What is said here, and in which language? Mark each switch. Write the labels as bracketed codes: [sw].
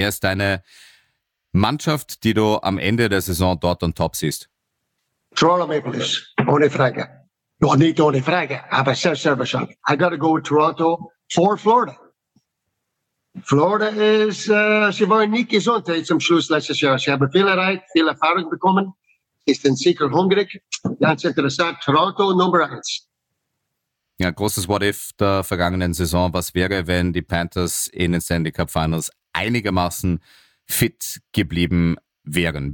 [de] Wer ist deine Mannschaft, die du am Ende der Saison dort on top siehst? Toronto Maple Leafs, ohne Frage. Noch nicht ohne Frage, aber sehr, sehr wahrscheinlich. [en] I gotta go with Toronto for Florida. [de] Florida ist, sie waren nicht gesund zum Schluss letztes Jahr. Sie haben viel erreicht, viel Erfahrung bekommen. Ist ein Sieger hungrig. Ganz interessant. Toronto Nummer 1. Ja, großes What-If der vergangenen Saison. Was wäre, wenn die Panthers in den Stanley Cup Finals einigermaßen fit geblieben wären?